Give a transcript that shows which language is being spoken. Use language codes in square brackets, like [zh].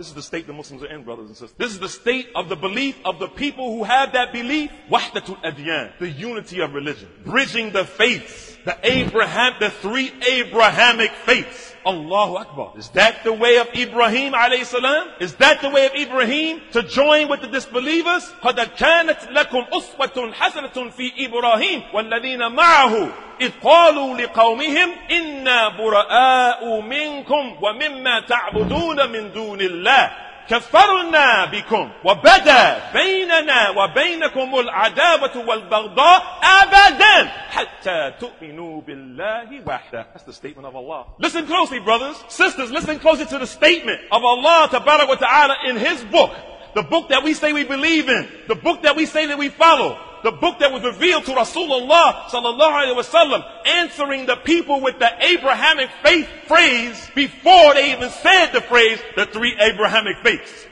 [en] This is the state the Muslims are in, brothers and sisters. This is the state of the belief of the people who have that belief. Wahdatul Adyan, the unity of religion, bridging the faiths, the three Abrahamic faiths. Allahu Akbar. Is that the way of Ibrahim alayhi salam? Is that the way of Ibrahim to join with the disbelievers? [ar] قَدَ كَانَتْ لَكُمْ أُصْوَةٌ حَسَنَةٌ فِي إِبْرَاهِيمَ وَالَّذِينَ مَعَهُ إِذْ قَالُوا لِقَوْمِهِمْ إِنَّا بُرَآءُ مِنْكُمْ وَمِمَّا تَعْبُدُونَ مِنْ دُونِ اللَّهِ كَفَّرْنَا بِكُمْ وَبَدَى بَيْنَنَا وَبَيْنَكُمُ الْعَدَاوَةُ وَالْبَغْضَاءُ أَبَدًا حَتَّى تُؤْمِنُوا بِاللَّهِ وَحْدَهُ [en] That's the statement of Allah. Listen closely, brothers, sisters, listen closely to the statement of Allah tabarak wa ta'ala in His book, the book that we say we believe in, the book that we say that we follow, the book that was revealed to Rasulullah sallallahu alayhi wa sallam, answering the people with the Abrahamic faith phrase before they even said the phrase, the three Abrahamic faiths.